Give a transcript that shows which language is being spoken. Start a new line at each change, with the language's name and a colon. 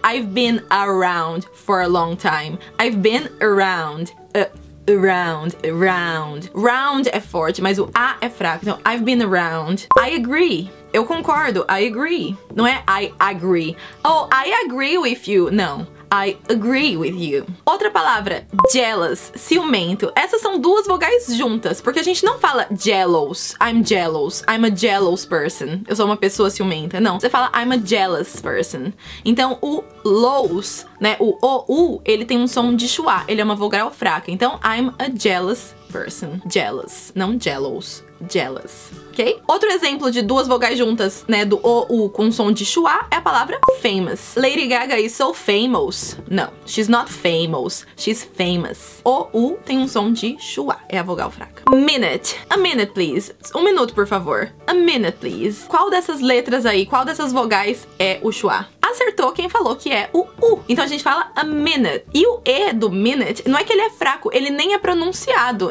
English: I've been around for a long time. I've been around. Around, around.
Portuguese: Round é forte, mas o A é fraco.
English: Então, I've been around. I agree.
Portuguese: Eu concordo.
English: I agree.
Portuguese: Não é
English: I agree. Oh, I agree with you.
Portuguese: Não.
English: I agree with you.
Portuguese: Outra palavra,
English: jealous,
Portuguese: ciumento. Essas são duas vogais juntas, porque a gente não fala jealous.
English: I'm jealous. I'm a jealous person.
Portuguese: Eu sou uma pessoa ciumenta. Não, você fala I'm a jealous person. Então, o lows, né, o OU, ele tem um som de schwa. Ele é uma vogal fraca. Então,
English: I'm a jealous person. Jealous,
Portuguese: não
English: jealous. Jealous, ok?
Portuguese: Outro exemplo de duas vogais juntas, né, do OU com som de schwa é a palavra famous.
English: Lady Gaga is so famous.
Portuguese: Não,
English: she's not famous, she's famous.
Portuguese: OU tem um som de schwa, é a vogal fraca.
English: Minute, a minute please.
Portuguese: Um minuto, por favor.
English: A minute please.
Portuguese: Qual dessas letras aí, qual dessas vogais é o schwa? Acertou quem falou que é o U. Então a gente fala a minute. E o E do minute, não é que ele é fraco, ele nem é pronunciado.